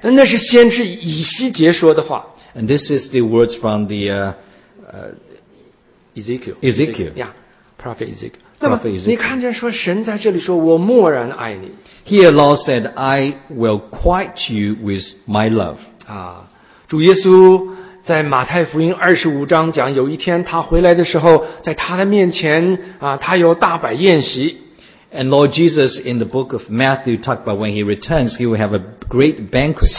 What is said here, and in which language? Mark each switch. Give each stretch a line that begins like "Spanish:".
Chinese: 但那是先知以西结说的话。
English: And this is the words from the Ezekiel. Yeah, prophet Ezekiel.
Chinese: 那么你看见说神在这里说我默然爱你。
English: Here Lord said, I will quiet you with my love.
Chinese: 主耶稣在马太福音二十五章讲，有一天他回来的时候，在他的面前他有大摆宴席。
English: And Lord Jesus in the book of Matthew talked about when he returns, he will have a great banquet.